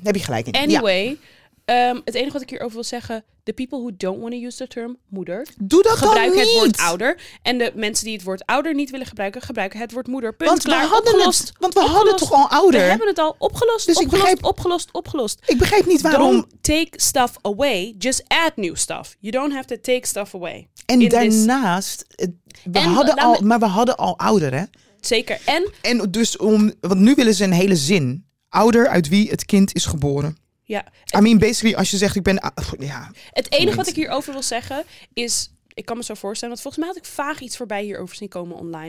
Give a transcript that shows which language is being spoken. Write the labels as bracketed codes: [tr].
[nl] Heb je gelijk in. Anyway, ja. Het enige wat ik hierover wil zeggen, [en] the people who don't want to use the term moeder, [nl] doe dat gebruik dan niet. Het woord ouder. En de mensen die het woord ouder niet willen gebruiken, gebruiken het woord moeder. Punt. Want we hadden het toch al ouder. We hebben het al opgelost. Dus opgelost. Ik begrijp niet waarom. [en] Don't take stuff away, just add new stuff. You don't have to take stuff away. [nl] En daarnaast, we hadden al ouder, hè? Zeker. Want nu willen ze een hele zin. Ouder uit wie het kind is geboren. Ja. Basically, als je zegt ik ben... Het enige wat ik hierover wil zeggen is... Ik kan me zo voorstellen, want volgens mij had ik vaag iets voorbij hierover zien komen online.